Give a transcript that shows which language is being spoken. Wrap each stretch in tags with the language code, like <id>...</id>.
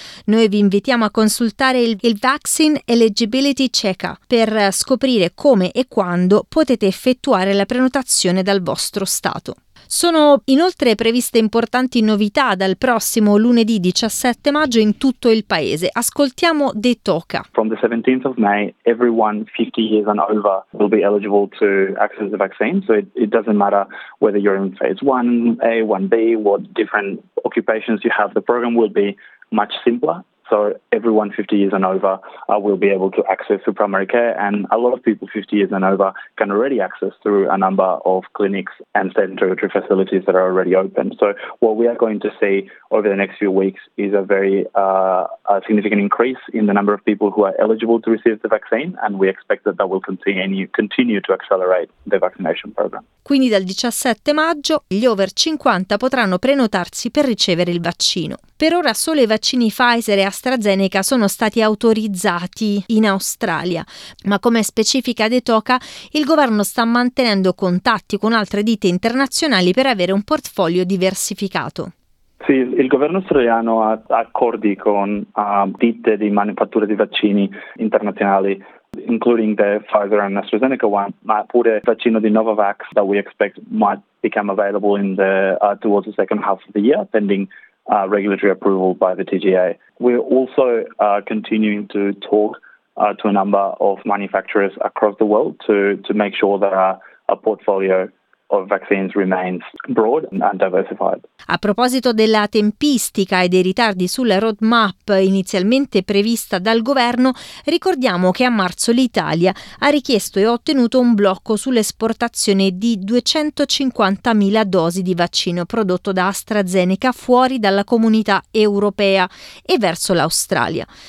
<it>Noi vi invitiamo a consultare il Vaccine Eligibility Checker per scoprire come e quando potete effettuare la prenotazione dal vostro stato. Sono inoltre previste importanti novità dal prossimo lunedì 17 maggio in tutto il paese. Ascoltiamo De Toca.</it> <en>From the 17th of May, everyone 50 years and over will be eligible to access the vaccine. So it doesn't matter whether you're in phase 1A, 1B, what different occupations you have, the program will be much simpler. So everyone 50 years and over will be able to access through primary care, and a lot of people 50 years and over can already access through a number of clinics and state and territory facilities that are already open. So what we are going to see over the next few weeks is a very a significant increase in the number of people who are eligible to receive the vaccine, and we expect that that will continue to accelerate the vaccination program.</en> <it>Quindi dal 17 maggio gli over 50 potranno prenotarsi per ricevere il vaccino. Per ora solo i vaccini Pfizer e AstraZeneca sono stati autorizzati in Australia, ma come specifica De Toca, il governo sta mantenendo contatti con altre ditte internazionali per avere un portfolio diversificato. Sì, il governo australiano ha accordi con ditte di manifattura di vaccini internazionali,</it> <en>including the Pfizer and AstraZeneca one,</en> <it>ma pure il vaccino di Novavax</it> <en>that we expect might become available in the towards the second half of the year, pending regulatory approval by the TGA. We're also continuing to talk to a number of manufacturers across the world to make sure that our portfolio of vaccines remains broad and diversified.</en> <it>A proposito della tempistica e dei ritardi sulla roadmap inizialmente prevista dal governo, ricordiamo che a marzo l'Italia ha richiesto e ottenuto un blocco sull'esportazione di 250.000 dosi di vaccino prodotto da AstraZeneca fuori dalla comunità europea e verso l'Australia.</it>